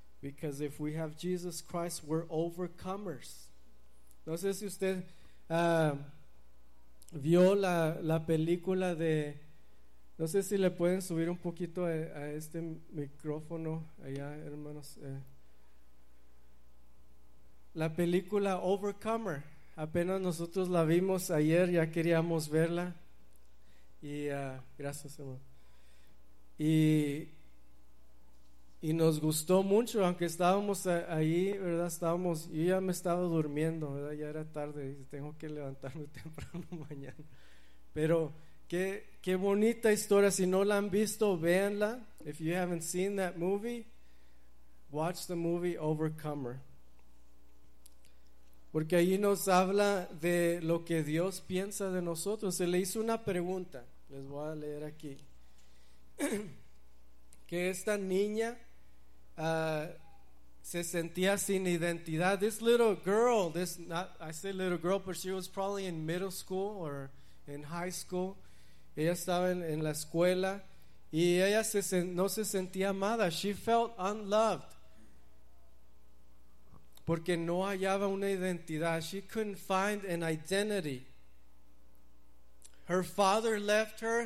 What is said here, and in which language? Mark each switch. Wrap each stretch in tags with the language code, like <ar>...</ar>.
<en>Because if we have Jesus Christ, we're overcomers.</en> <es>No sé si usted vio la película de, no sé si le pueden subir un poquito a este micrófono allá, hermanos. La película Overcomer, apenas nosotros la vimos ayer, ya queríamos verla. Y gracias, hermano. Y nos gustó mucho, aunque estábamos ahí, ¿verdad? Estábamos, yo ya me estaba durmiendo, ¿verdad? Ya era tarde, tengo que levantarme temprano mañana. Pero qué bonita historia. Si no la han visto, véanla.</es> <en>If you haven't seen that movie, watch the movie Overcomer.</en> <es>Porque ahí nos habla de lo que Dios piensa de nosotros. Se le hizo una pregunta, les voy a leer aquí. Que esta niña se sentía sin identidad.</es> <en>This little girl, this not, I say little girl, but she was probably in middle school or in high school.</en> <es>Ella estaba en la escuela y ella no se sentía amada.</es> <en>She felt unloved</en> <es>porque no hallaba una identidad.</es> <en>She couldn't find an identity. Her father left her.</en>